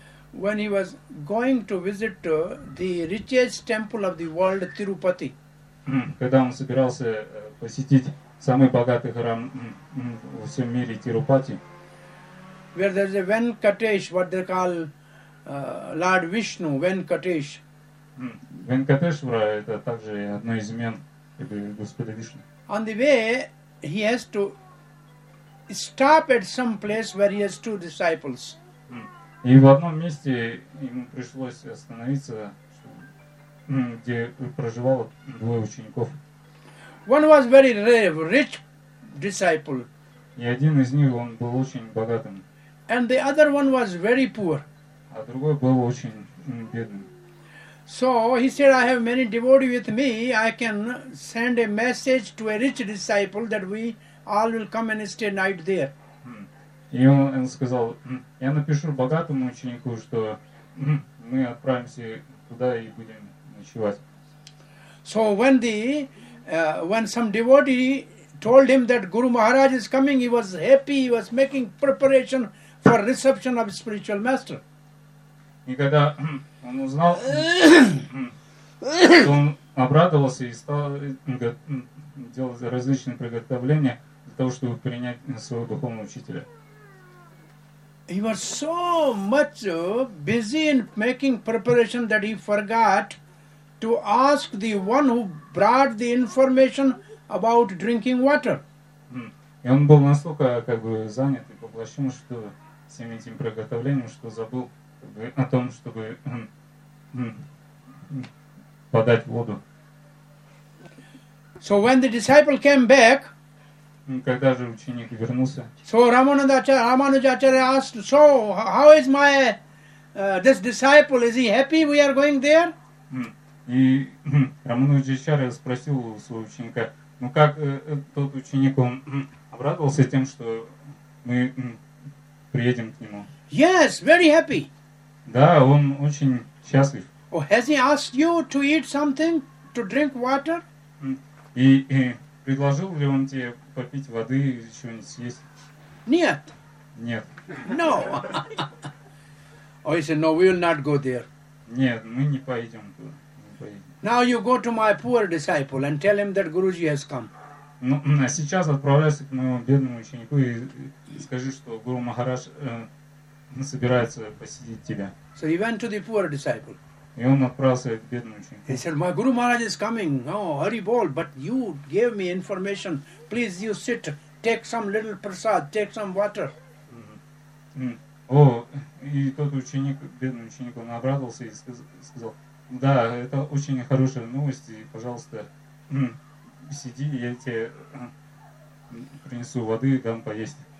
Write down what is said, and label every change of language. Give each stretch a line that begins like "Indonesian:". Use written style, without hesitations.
English: When he was going to visit the richest temple of the world, Tirupati.
Russian: Когда он собирался посетить самый богатый храм во всем мире, Тирупати.
English: Where there is a Venkatesh, what they call Lord Vishnu, Venkatesh.
Russian: Venkateshvara — это также одно из имен Господа Вишну.
English: On the way, he has to stop at some place where he has two disciples.
Russian: И в одном месте ему пришлось остановиться, где проживало двое учеников.
English: One was very rich disciple.
Russian: И один из них, он был очень богатым.
English: And the other one was very poor.
Russian: А другой был очень бедным.
English: So he said, I have many devotees with me. I can send a message to a rich disciple that we all will come and stay night there.
Russian: И он сказал, я напишу богатому ученику, что мы отправимся туда и будем ночевать.
English: So when the when some devotee told him that Guru Maharaj is coming, he was happy, he was making preparation for reception of spiritual master.
Russian: И когда он узнал, то он обрадовался и стал делать различные приготовления для того, чтобы принять своего духовного учителя.
English: he was so much busy in making preparation that he forgot to ask the one who brought the information about drinking water.
Russian: И он был настолько как бы занят и поглощен, что всем этим приготовлением, что забыл как бы, о том, чтобы подать воду.
English: So when the disciple came back,
Russian: когда же ученик вернулся?
English: So Рамануджа Ачарья asked, so how is my this disciple? Is he happy? We are going there?
Russian: И Рамануджа Ачарья спросил у своего ученика, ну как тот ученик, он обрадовался тем, что мы приедем к нему?
English: Yes, very happy.
Russian: Да, он очень счастлив.
English: Oh, has he asked you to eat something, to drink water?
Russian: И предложил ли он тебе попить воды или что-нибудь съесть? Нет. Нет.
English: No. Oh, he said, no, we will not go there.
Russian: Нет, мы не поедем туда.
English: Now you go to my poor disciple and tell him that Guruji has come.
Russian: Ну, а сейчас отправляйся к моему бедному ученику и скажи, что Гуру Махарадж собирается посетить тебя.
English: So he went to the poor disciple.
Russian: И он отправился к бедному ученику.
English: He said, my Guru Maharaj is coming. Oh, hurry bold, but you gave me information. Please you sit, take some little prasad, take some water.
Russian: О, и тот ученик, бедный ученик, он обрадовался и сказал, да, это очень хорошая новость, и, пожалуйста, сиди, я тебе принесу воды и дам поесть.